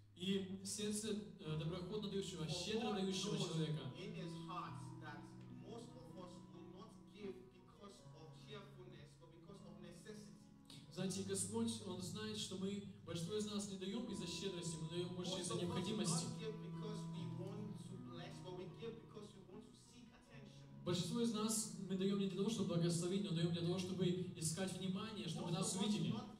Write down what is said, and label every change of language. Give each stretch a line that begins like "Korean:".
Russian: И сердце доброходно дающего, щедро дающего человека.
English: In his heart, that most of us will not give because of cheerfulness, but because of necessity.
Russian: Знаете, Господь, Он знает, что мы, большинство из нас не даем из-за щедрости, мы даем больше из-за необходимости.
English: Most of us do not give because we want to bless, but we give because we want to seek attention.
Russian: Большинство из нас мы даем не для того, чтобы благословить, но даем для того, чтобы искать внимание, чтобы нас увидели.